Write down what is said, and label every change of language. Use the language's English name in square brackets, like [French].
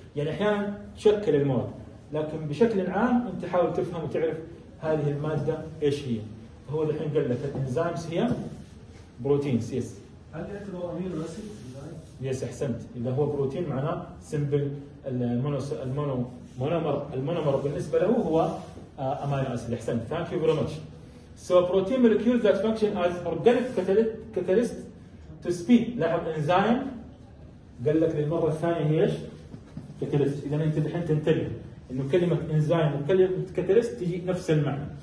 [Arabic] يعني أحيانا تشكل المواد, لكن بشكل عام أنت حاول تفهم وتعرف هذه المادة إيش هي. هو الحين قال لك الإنزيمز هي بروتين. [English] yes, [Arabic] هل يعتبر أمينو أسيد؟ [English] yes, [Arabic] أحسنت. إذا هو بروتين معناه سمبل المونومر, المونومر بالنسبة له هو أمينو أسيد. أحسنت, [English] thank you very much. So protein molecules that function as organic catalyst to speed. [Arabic] لاحظ إنزيم قال لك للمرة الثانية هيش كاتاليست. إذا أنت الحين تنتبه إنه كلمة إنزيم وكلمة كاتاليست تجي نفس المعنى.